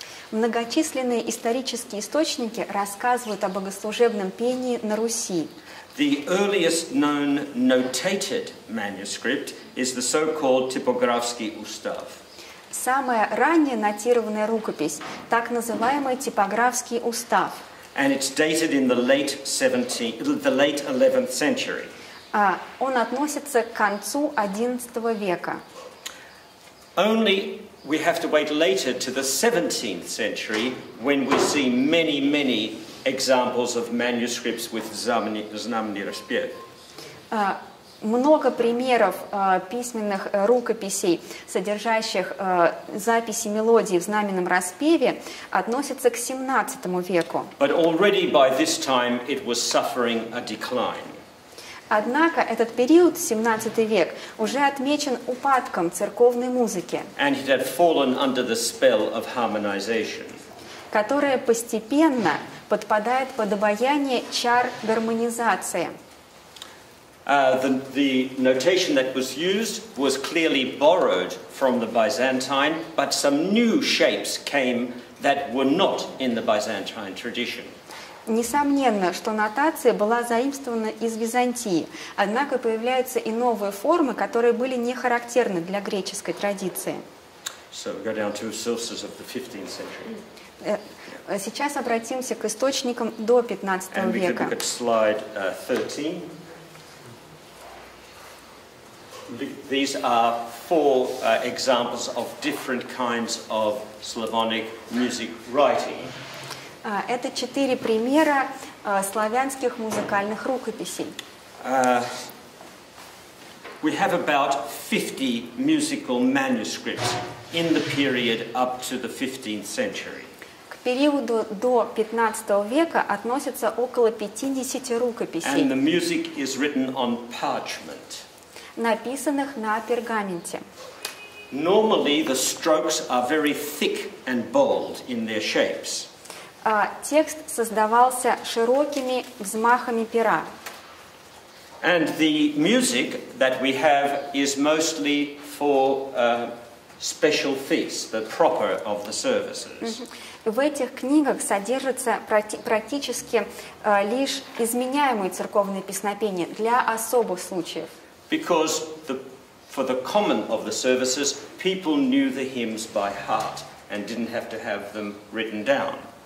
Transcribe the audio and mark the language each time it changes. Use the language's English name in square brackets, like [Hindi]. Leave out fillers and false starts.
[Russian] Многочисленные исторические источники рассказывают о богослужебном пении на Руси. [English] The earliest known notated manuscript is the so-called Typografский устав. [Russian] Самая ранняя нотированная рукопись, так называемый типографский устав. [English] And it's dated in the late 11th century. [Russian] Он относится к концу 11 века. [English] Only we have to wait later to the 17th century when we see many, many examples of manuscripts with знамени распев. [Russian] Много примеров письменных рукописей, содержащих записи мелодии в знаменном распеве, относятся к 17 веку. [English] But already by this time it was suffering a decline. [Russian] Однако этот период, 17 век, уже отмечен упадком церковной музыки, [English] and it had fallen under the spell of harmonization, [Russian] которая постепенно подпадает под обаяние чар гармонизации. [English] The notation that was used was clearly borrowed from the Byzantine, but some new shapes came that were not in the Byzantine tradition. [Russian] Несомненно, что нотация была заимствована из Византии, однако появляются и новые формы, которые были не характерны для греческой традиции. [English] So we go down to sources of the 15th century. [Russian] Сейчас обратимся к источникам до 15 века. [English] And we can look at slide 13. These are four examples of different kinds of Slavonic music writing. [Russian] Это четыре примера славянских музыкальных рукописей. [English] We have about 50 musical manuscripts in the period up to the 15th century. [Russian] К периоду до 15 века относятся около 50 рукописей. [English] And the music is written on parchment. [Russian] Написанных на пергаменте. [English] Normally the strokes are very thick and bold in their shapes. [Russian] Текст создавался широкими взмахами пера. [English] And the music that we have is mostly for special feasts, the proper of the services. [Russian] В этих книгах содержится практически лишь изменяемые церковные песнопения для особых случаев. [English] Because for the common of the services, people knew the hymns by heart and didn't have to have them written down.